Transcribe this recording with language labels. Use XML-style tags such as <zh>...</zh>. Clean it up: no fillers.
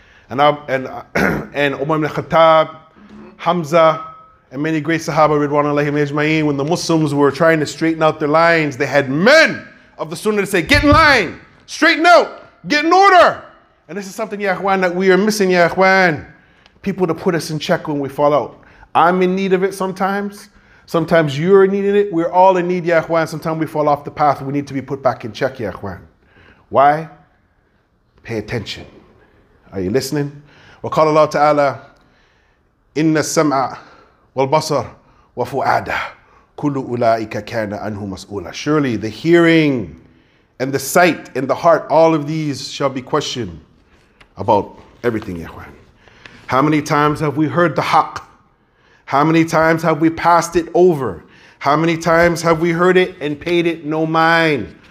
<en>And Umar ibn Khattab, Hamza, and many great Sahaba, Ridwan alayhim ajma'in, when the Muslims were trying to straighten out their lines, they had men of the Sunnah to say, get in line, straighten out, get in order. And this is something, ya akhwan, that we are missing, ya akhwan. People to put us in check when we fall out. I'm in need of it sometimes. Sometimes you're needing it. We're all in need, ya akhwan. Sometimes we fall off the path. We need to be put back in check, ya akhwan. Why? Pay attention. Are you listening?</en> <ar>Wa qala Allah ta'ala, inna sam'a والبصر وفؤادا كل أولئك كان عنه مسؤولا.</ar> <en>Surely the hearing and the sight and the heart, all of these shall be questioned about everything, ya akhwan. How many times have we heard the haq? How many times have we passed it over? How many times have we heard it and paid it no mind?</en>